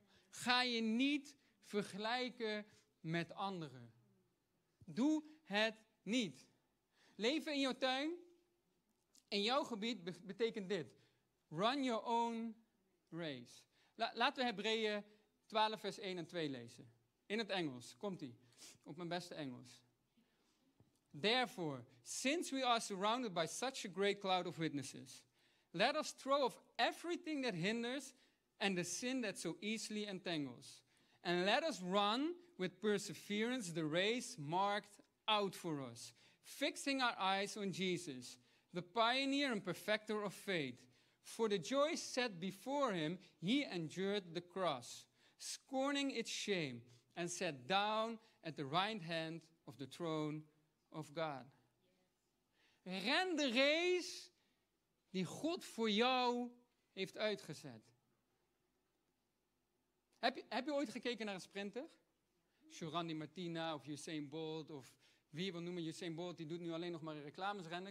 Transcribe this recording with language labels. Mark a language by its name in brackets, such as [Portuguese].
[Dutch] Ga je niet vergelijken met anderen. Doe het niet. Leven in jouw tuin, in jouw gebied, betekent dit. [English] Run your own race. [Dutch] Laten we Hebreeën 12 vers 1 en 2 lezen. In het Engels, komt-ie. Op mijn beste Engels. [English] Therefore, since we are surrounded by such a great cloud of witnesses, let us throw off everything that hinders and the sin that so easily entangles. And let us run with perseverance the race marked out for us, fixing our eyes on Jesus, the pioneer and perfecter of faith. For the joy set before him, he endured the cross, scorning its shame, and sat down at the right hand of the throne of God. [Dutch] Ren de race die God voor jou heeft uitgezet. Heb je ooit gekeken naar een sprinter? Shorandi Martina of Usain Bolt of wie wil noemen Usain Bolt, die doet nu alleen nog maar reclames rennen.